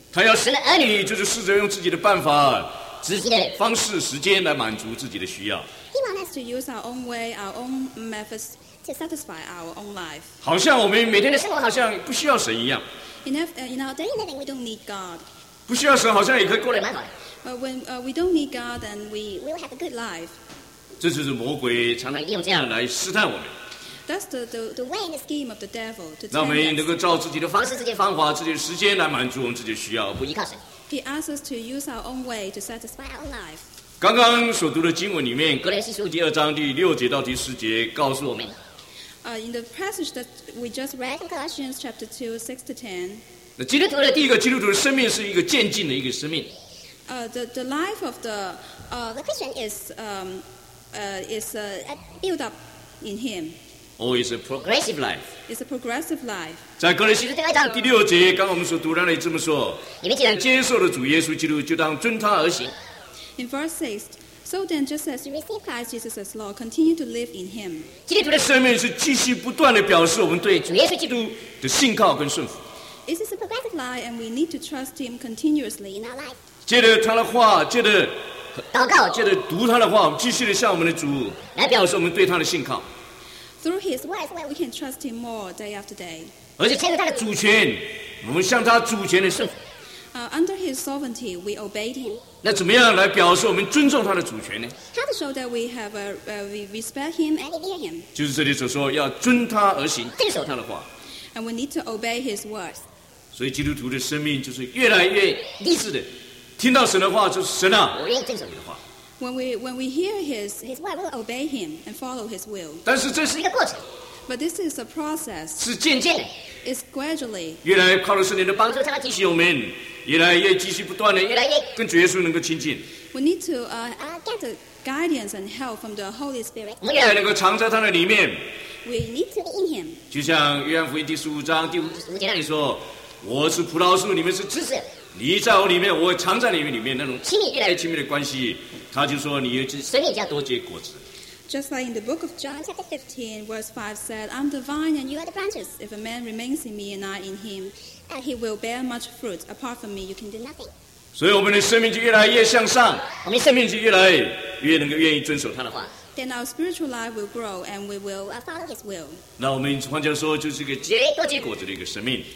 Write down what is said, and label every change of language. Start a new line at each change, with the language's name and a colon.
Chinese: 他要神的儿女就是试着用自己的办法、直接的方式、时间来满足自己的需要。
English: He wants us to use our own way, our own methods to satisfy our own life.
Chinese: 好像我们每天的生活好像不需要神一样。
English: In our daily living, we don't need God.
Chinese: 不需要神好像也可以过得蛮好。
English: But when we don't need God, then we will have a good life.
Chinese: 这就是魔鬼常常用这样来试探我们。
English: That's the way and the scheme of the devil to.
Chinese: 让我们能够照自己的方式、自己的方法、自己的时间来满足我们自己的需要，不依靠神。
English: He asks us to use our own way to satisfy our life.
Chinese: 刚刚所读的经文里面，格林西书第二章第六节到第十节告诉我们。
English: In the passage that we just read in Colossians chapter 2, 6 to 10.
Chinese: 那基督徒的第一个基督徒的生命是一个渐进的一个生命。
English: The life of the Christian is is a build up in him. Oh, it's a progressive life. It's a progressive life.
Chinese: 在哥林西书第六节，刚刚我们所读到的这么说： 你们既然接受了主耶稣基督，就当遵他而行。
English: In verse 6, so then just as you receive Christ Jesus as Lord, continue to live in him.
Chinese: 基督徒的生命是继续不断的表示我们对主耶稣基督的信靠跟顺服。
English: This is a progressive life, and we need to trust him continuously in our life.
Chinese: 借着他的话，借着祷告，接着读他的话，我们继续的向我们的主来表示我们对他的信靠。
English: Through his words, we can trust him more day after day.
Chinese: 而且趁着他的主权，我们向他主权的顺服。
English: Under his sovereignty, we obeyed him.
Chinese: 那怎么样来表示我们尊重他的主权呢
English: ？How to show that we have we respect him and obey him?
Chinese: 就是这里所说，要遵他而行，遵守他的话。
English: And we need to obey his words.
Chinese: 所以基督徒的生命就是越来越立志的。听到神的话就是神啊，我愿意遵守你的话。
English: When we hear his word, we'll obey him and follow his will.
Chinese: 但是这是一个过程。
English: But this is a process.
Chinese: 是渐渐的。
English: It's gradually.
Chinese: 越来越靠着圣灵的帮助，他来提醒我们，越来越继续不断的，越来越跟主耶稣能够亲近。
English: We need to get the guidance and help from the Holy Spirit.
Chinese: 我们越来越能够藏在他的里面。
English: We need to be in him.
Chinese: 就像约翰福音第十五章第五节那里说：“我是葡萄树，你们是枝子。” 你在我里面，我藏在你里面，那种亲密越来越亲密的关系，他就说你神也叫多结果子。
English: Just like in the book of John, chapter 15, verse 5 said, I'm the vine and you are the branches. If a man remains in me and I in him, he will bear much fruit. Apart from me, you can do nothing.
Chinese: 所以我们的生命就越来越向上，我们的生命就越来越能够愿意遵守他的话。
English: Then our spiritual life will grow and we will follow his will.
Chinese: 那我们换句话说就是一个结多结果子的一个生命。